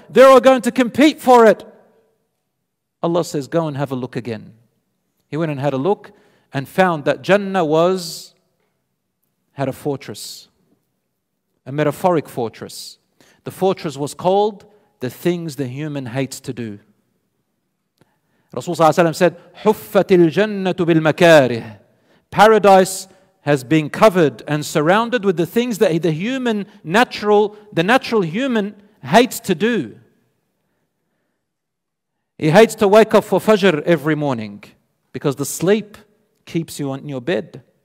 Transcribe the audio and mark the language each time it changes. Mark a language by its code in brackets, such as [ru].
[en] They're all going to compete for it. Allah says, go and have a look again. He went and had a look and found that Jannah had a fortress, a metaphoric fortress. The fortress was called the things the human hates to do. [ar] Rasulullah [en] said, [ar] حُفَّتِ الْجَنَّةُ بِالْمَكَارِهِ. [en] Paradise has been covered and surrounded with the things that the natural human hates to do. He hates to wake up for Fajr every morning because the sleep keeps you on your bed.